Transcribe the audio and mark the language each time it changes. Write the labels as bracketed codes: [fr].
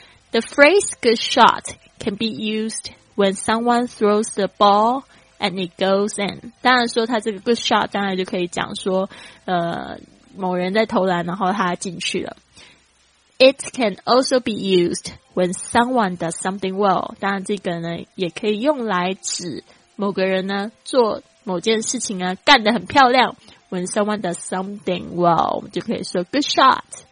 [en] The phrase good shot can be used when someone throws the ballAnd it goes in. [zh] 当然说他这个 good shot 当然就可以讲说某人在投篮然后他进去了。 [en] It can also be used when someone does something well. [zh] 当然这个呢也可以用来指某个人呢做某件事情啊干得很漂亮。 [en] When someone does something well, [zh] 我们就可以说 [en] good shot.